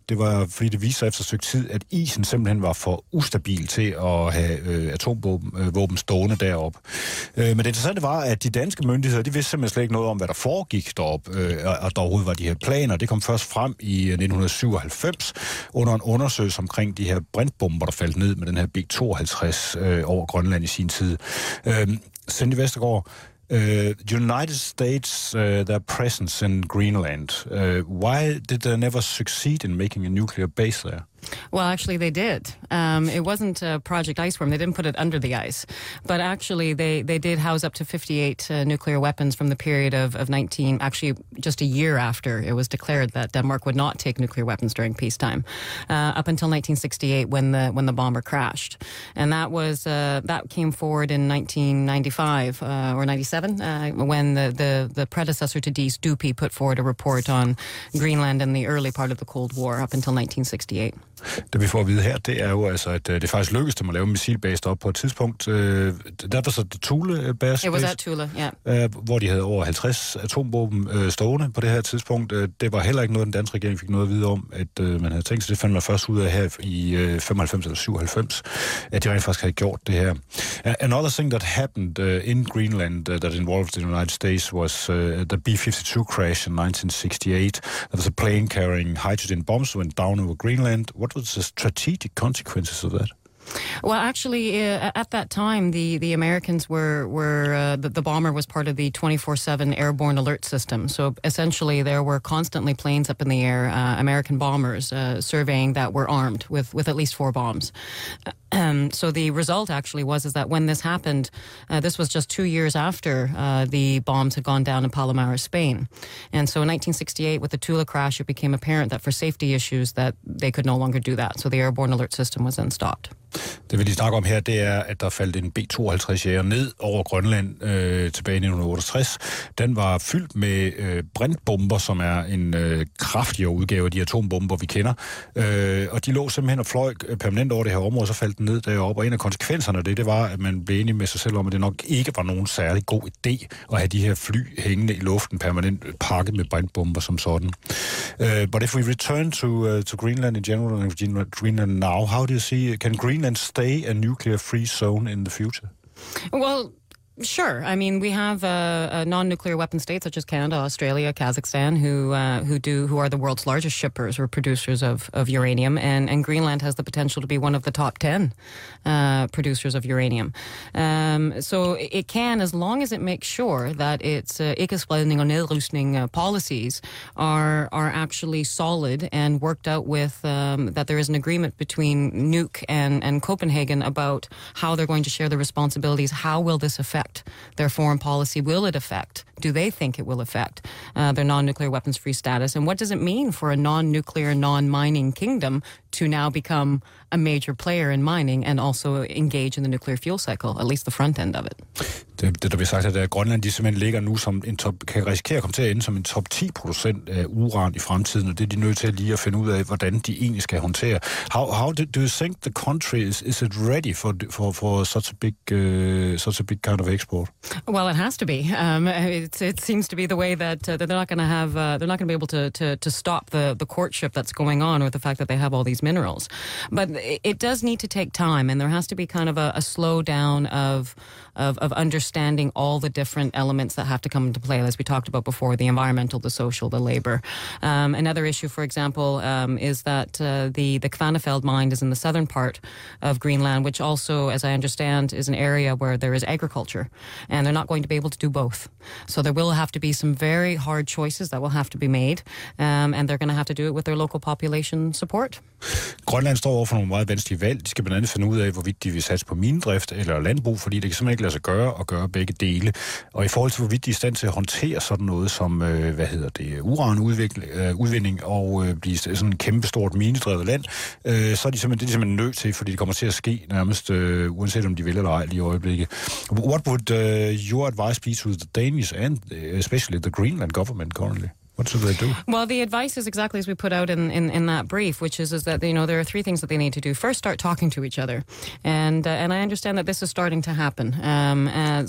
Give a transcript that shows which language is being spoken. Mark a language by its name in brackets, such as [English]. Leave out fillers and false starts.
[Danish] Det var, fordi det viste sig efter et stykke tid, at isen simpelthen var for ustabil til at have atomvåben stående deroppe. Men det interessante var, at de danske myndigheder, de vidste simpelthen slet ikke noget om, hvad der foregik deroppe, og der overhovedet var de her planer. Det kom først frem i 1997, under en undersøgelse omkring de her brintbomber, der faldt ned med den her B-52 over Grønland i sin tid. [English] Cindy Vestergaard, United States, their presence in Greenland. Why did they never succeed in making a nuclear base there? Well, actually, they did. It wasn't Project Iceworm. They didn't put it under the ice. But actually, they did house up to 58 nuclear weapons from the period of 19, actually just a year after it was declared that Denmark would not take nuclear weapons during peacetime, up until 1968 when the bomber crashed. And that was that came forward in 1995 or 97, when the predecessor to Dees Dupuy put forward a report on Greenland and the early part of the Cold War up until 1968. [Danish] Det vi får at vide her, det er jo altså, at det faktisk lykkedes dem at lave missilbase deroppe på et tidspunkt. Der var så det Thule-base. [English] It was at Thule, yeah. [Danish] Hvor de havde over 50 atomvåben stående på det her tidspunkt. Det var heller ikke noget, den danske regering fik noget at vide om, at man havde tænkt sig. Det fandt man først ud af her i 95 eller 97, at de rent faktisk havde gjort det her. [English] Another thing that happened in Greenland that involved the United States was the B-52 crash in 1968. There was a plane carrying hydrogen bombs went down over Greenland. And what was the strategic consequences of that? Well, actually, at that time, the Americans the bomber was part of the 24/7 airborne alert system. So essentially, there were constantly planes up in the air, American bombers surveying that were armed with at least four bombs. So the result actually was is that when this happened, this was just 2 years after the bombs had gone down in Palomares, Spain. And so in 1968, with the Tula crash, it became apparent that for safety issues that they could no longer do that. So the airborne alert system was then stopped. [Danish] Det, vi lige snakker om her, det er, at der faldt en B-52-jæger ned over Grønland tilbage i 1968. Den var fyldt med brintbomber, som er en kraftigere udgave af de atombomber, vi kender. Og de lå simpelthen og fløj permanent over det her område, og så faldt den ned deroppe. Og en af konsekvenserne af det var, at man blev enig med sig selv om, at det nok ikke var nogen særlig god idé at have de her fly hængende i luften permanent pakket med brintbomber som sådan. [English] But if we return to Greenland in general and Greenland now, how do you see, can Greenland stay a nuclear-free zone in the future? Well, Sure. I mean, we have a non-nuclear weapon state such as Canada, Australia, Kazakhstan, who are the world's largest shippers or producers of uranium, and Greenland has the potential to be one of the top 10 producers of uranium. So it can, as long as it makes sure that its [Danish] ikkespredning [English] or [Danish] nedrustning [English] policies are actually solid and worked out with that there is an agreement between Nuuk and Copenhagen about how they're going to share the responsibilities. How will this affect their foreign policy? Will it affect? Do they think it will affect their non-nuclear weapons-free status? And what does it mean for a non-nuclear, non-mining kingdom to now become a major player in mining and also engage in the nuclear fuel cycle, at least the front end of it? [Danish] Det der bliver sagt, at Grønland de simpelthen ligger nu som en top, kan risikere at komme til at ende som en top 10 producent af uran i fremtiden, og det er de nødt til lige at finde ud af, hvordan de egentlig skal håndtere. [English] How do you think the country is it ready for such a big kind of export? Well, it has to be. It seems to be the way that they're not going to be able to stop the courtship that's going on, or the fact that they have all these minerals. But it does need to take time, and there has to be kind of a slowdown of understanding all the different elements that have to come into play, as we talked about before, the environmental, the social, the labor. Another issue, for example, is that the Kvanefjeld mine is in the southern part of Greenland, which also, as I understand, is an area where there is agriculture, and they're not going to be able to do both. So there will have to be some very hard choices that will have to be made, and they're going to have to do it with their local population support. [Danish] Grønland står overfor nogle meget vanskelige valg. De skal blandt andet finde ud af, hvorvidt de vil satse på minedrift eller landbrug, fordi det kan simpelthen ikke lade sig gøre at gøre begge dele. Og i forhold til, hvorvidt de er i stand til at håndtere sådan noget som, hvad hedder det, uranudvinding og blive sådan et kæmpestort minedrevet land, så er de simpelthen, det er de simpelthen nødt til, fordi det kommer til at ske nærmest, uanset om de vil eller ej lige i øjeblikket. [English] What would your advice be to the Danish and especially the Greenland government currently? What should they do? Well, the advice is exactly as we put out in that brief, which is that, you know, there are three things that they need to do. First, start talking to each other. And I understand that this is starting to happen.